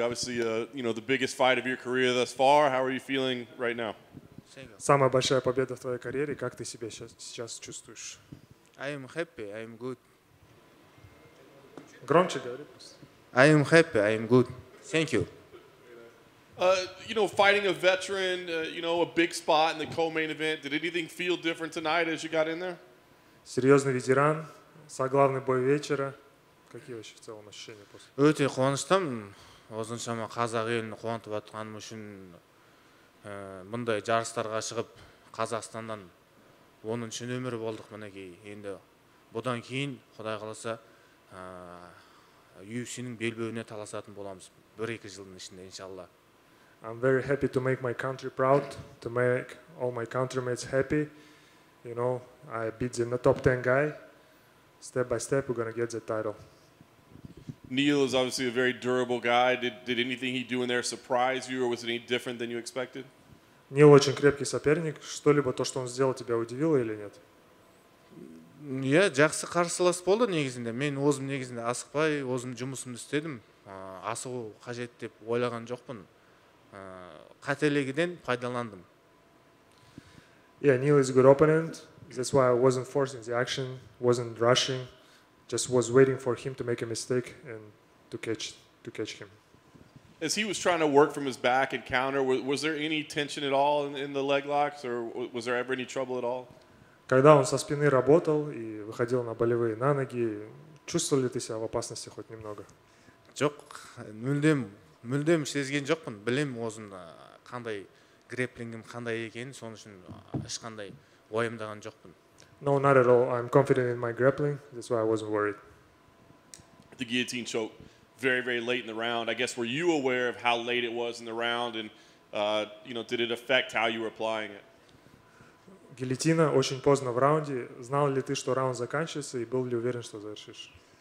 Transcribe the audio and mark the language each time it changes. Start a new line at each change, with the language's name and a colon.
English: Obviously, you know, the biggest fight of your career thus far. How are you feeling right now?
Russian: Самая большая победа в твоей карьере. Как ты себя сейчас чувствуешь?
English: I am happy. I am good.
Russian: Громче говори.
English: I am happy. I am good. Thank you. You know, fighting a veteran, you know, a big spot in the co-main event. Did anything feel different tonight as you got in there?
Russian: Серьезный ветеран, соглавный бой вечера. Какие вообще в целом ощущения после?
Kazakh: Өте қуаныштым. Осыншама қазақ елін қуантып отырғаным үшін мындай жарыстарға шығып Қазақстаннан оныншы нөмір болдық мінекей. Енді бұдан кейін, Құдай қаласа, UFC-нің белбеуіне таласатын боламыз 1-2 жылдың ішінде, иншалла.
English: I'm very happy to make my country proud, to make all my countrymates happy. You know, I beat the top 10 guy. Step by step, we're going to get the title. Neil is obviously a very durable guy. Did anything he do in there surprise you, or was it any different than you expected?
Russian: Neil очень крепкий соперник. Что-либо то, что он сделал, тебя удивило или нет?
Kazakh: Я жақсы қарсылас болды негізінде. Мен өзім негізінде асықпай, өзім жұмысымды істедім. Асығу қажет деп ойлаған жоқпын. Қателігіден пайдаландым.
English: Yeah, Neil is a good opponent. That's why I wasn't forcing the action, wasn't rushing. Just was waiting for him to make a mistake and to catch him. As he was trying to work from his back and counter, was there any tension at all in the leg locks, or was there ever any trouble at all?
Russian: Когда он со спины работал и выходил на болевые на ноги, чувствовал ли ты себя в опасности хоть немного?
Kazakh: Жоқ, мүлдем сезген жоқпын. Білем өзім қандай грэпплингім қандай екенін, соның үшін ешқандай ойымдаған жоқпын.
English: No, not at all. I'm confident in my grappling. That's why I wasn't worried. The guillotine choke very, very late in the round. I guess, were you aware of how late it was in the round? And, you know, did it affect how you were applying it?
Russian: Гильотина очень поздно в раунде. Знал ли ты, что раунд заканчивается, и был ли уверен, что завершишь?